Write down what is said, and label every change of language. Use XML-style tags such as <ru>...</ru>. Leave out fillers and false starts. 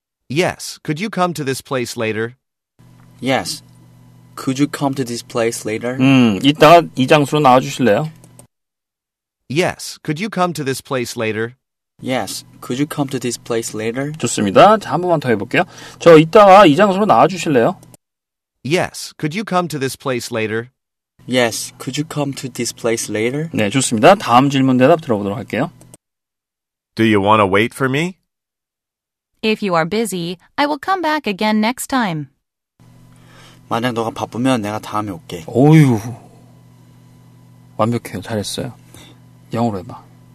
<en>Yes, could you come to this place later? Yes, could you come to this place later?</en> <ko>이따가 이 장소로 나와주실래요?</ko> <en>Yes, could you come to this place later? Yes, could you come to this place later?</en> <ko>좋습니다. 자, 한 번만 더 해볼게요. 저 이따가 이 장소로 나와주실래요?</ko> <en>Yes, could you come to this place later? Yes, could you come to this place later?</en> <ko>네, 좋습니다. 다음 질문 대답 들어보도록 할게요.</ko> <en>Do you want to wait for me? If you are busy, I will come back again next time.</en> <ko>만약 너가 바쁘면 내가 다음에 올게. 어휴, 완벽해요. 잘했어요. 영어로 해봐.</ko>